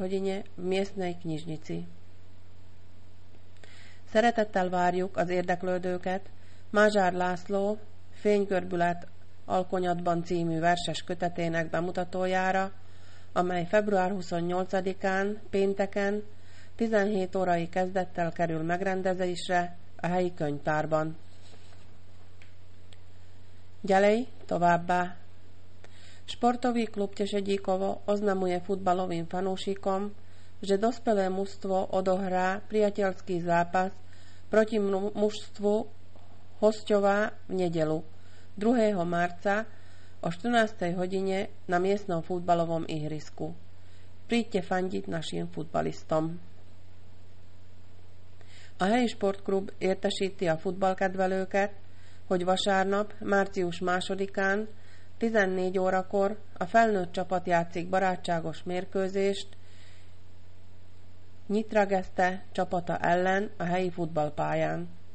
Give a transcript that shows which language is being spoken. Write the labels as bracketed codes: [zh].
[sk] hodine v miestnej knižnici. [hu] Szeretettel várjuk az érdeklődőket Mázsár László Fénygörbület Alkonyatban című verses kötetének bemutatójára, amely február 28-án, pénteken, 17 órai kezdettel kerül megrendezésre a helyi könyvtárban. [sk] Ďalej, [hu] továbbá. [sk] Sportový klub Tešedíkovo oznamuje futbalovým fanúšikom, že dospelé mužstvo odohrá priateľský zápas proti mužstvu Hosťová v nedelu 2. marca o 14. hodine na miestnom futbalovom ihrisku. Príďte fandiť našim futbalistom. [hu] A helyi sportklub értesíti a futballkedvelőket, hogy vasárnap, március 2-án 14 órakor a felnőtt csapat játszik barátságos mérkőzést Nyitra Geszte csapata ellen a helyi futballpályán.